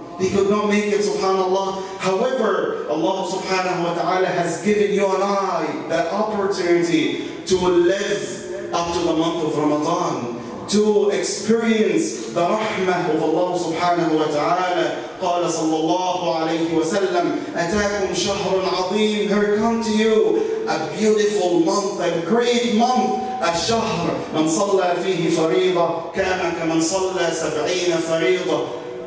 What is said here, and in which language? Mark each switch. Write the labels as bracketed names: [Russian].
[English] They could not make it, subhanAllah. However, Allah subhanahu wa ta'ala has given you and I the opportunity to live up to the month of Ramadan, to experience the rahmah of Allah subhanahu wa ta'ala. [Arabic] قال صلى الله عليه وسلم أتاكم شهر عظيم. [English] Here come to you a beautiful month, a great month. [Arabic] الشهر من صلى فيه فريضة كان كمن صلى 70 فريضة.